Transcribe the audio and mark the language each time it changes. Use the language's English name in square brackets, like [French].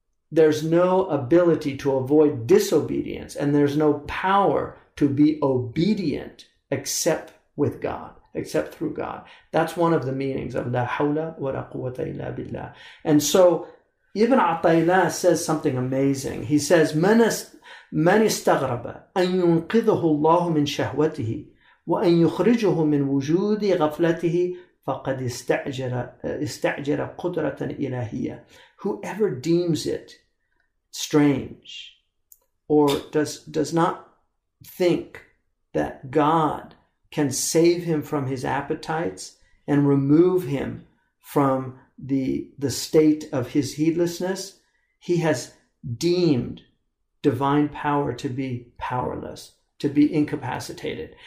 [English] there's no ability to avoid disobedience, and there's no power to be obedient except with God, except through God. That's one of the meanings of la hawla wa la quwwata illa billah. And so Ibn Athaylah says something amazing. He says, [Arabic] من استغرب أن ينقذه الله من شهوته وأن يخرجه من وجود غفلته فقد استعجر قدرة إلهية. [English] Whoever deems it strange or does not think that God can save him from his appetites and remove him from the state of his heedlessness, he has deemed divine power to be powerless, to be incapacitated.